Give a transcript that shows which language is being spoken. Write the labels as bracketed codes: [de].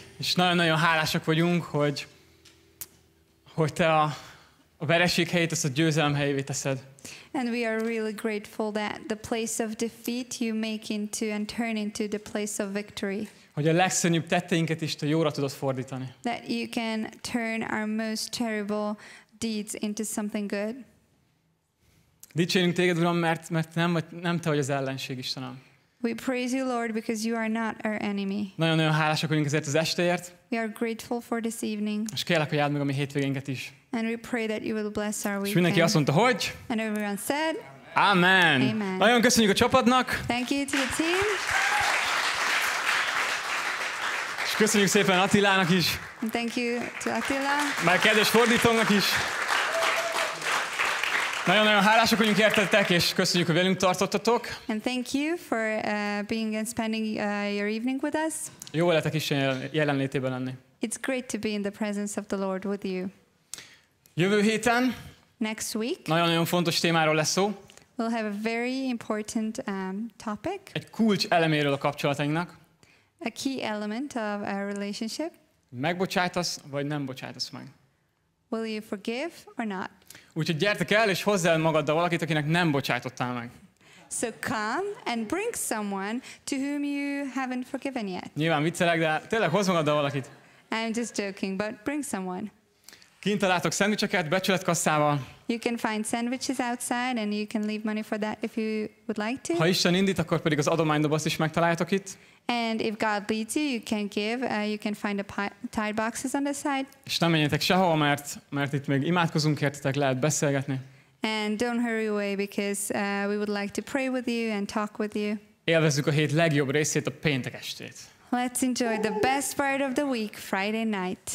[hu] És nagyon-nagyon hálásak vagyunk, hogy te a vereség helyét, azt a győzelem helyévé teszed. [en] And we are really grateful that the place of defeat you make into and turn into the place of victory. [hu] Hogy a legszörnyűbb tetteinket is te jóra tudod fordítani. [en] That you can turn our most terrible deeds into something good. [hu] Dicsérünk téged, Uram, mert nem te vagy az ellenség, Istenem. [en] We praise you, Lord, because you are not our enemy. [hu] Nagyon-nagyon hálásak vagyunk ezért az estéért. [en] We are grateful for this evening. [hu] És kérlek, hogy áld meg a mi hétvégénket is. [en] And we pray that you will bless our weekend. [hu] És mindenki azt mondta, hogy? [en] And everyone said, [hu] Amen. [en] Amen. [hu] Nagyon köszönjük a csapatnak. [en] Thank you to the team. [hu] És köszönjük szépen Attilának is. [en] And thank you to Attila. [hu] Már kedves fordítónak is. Nagyon-nagyon hálásak vagyunk értetek, és köszönjük, hogy velünk tartottatok. [en] And thank you for being and spending your evening with us. [hu] Jó veletek is jelenlétében lenni. [en] It's great to be in the presence of the Lord with you. [hu] Jövő héten. [en] Next week. [hu] Nagyon-nagyon fontos témáról lesz szó. [en] We'll have a very important topic. [hu] Egy kulcs eleméről a kapcsolatainknak. [en] A key element of our relationship. [hu] Megbocsátasz, vagy nem bocsátasz meg? [en] Will you forgive or not? [hu] Úgyhogy gyertek el, és hozz el magaddal valakit, akinek nem bocsájtottál meg. [en] So come and bring someone to whom you haven't forgiven yet. [hu] Nyilván viccelek, de tényleg hozz magaddal valakit. [en] I'm just joking, but bring someone. [hu] Kint találtok szendvicseket becsületkasszával. [en] You can find sandwiches outside and you can leave money for that if you would like to. [hu] Ha Isten indít, akkor pedig az adománydobozt is megtaláltok itt. [en] And if God leads you, you can give. You can find the tithe boxes on the side. [hu] És nem menjetek sehova, mert itt még imádkozunk értetek, lehet beszélgetni. [en] And don't hurry away because we would like to pray with you and talk with you. [hu] Élvezzük a hét legjobb részét, a péntek estét. [en] Let's enjoy the best part of the week, Friday night.